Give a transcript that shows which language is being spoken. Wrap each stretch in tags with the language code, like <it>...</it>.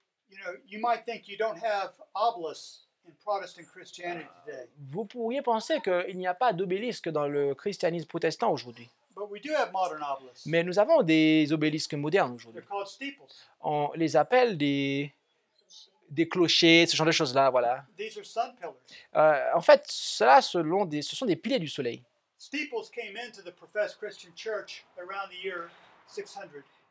<en>You know, you might think you don't have obelisks in Protestant Christianity today.</en> <fr>Vous pourriez penser qu'il n'y a pas d'obélisque dans le christianisme protestant aujourd'hui.</fr> <en>But we do have modern obelisks.</en> <fr>Mais nous avons des obélisques modernes aujourd'hui.</fr> <en>They're called steeples.</en> <fr>On les appelle des clochers, ce genre de choses-là, voilà.</fr> <en>These are sun pillars.</en> <fr>En fait, cela, ce sont des piliers du soleil.</fr> <en>Steeples came into the professed Christian church around the year 600.</en>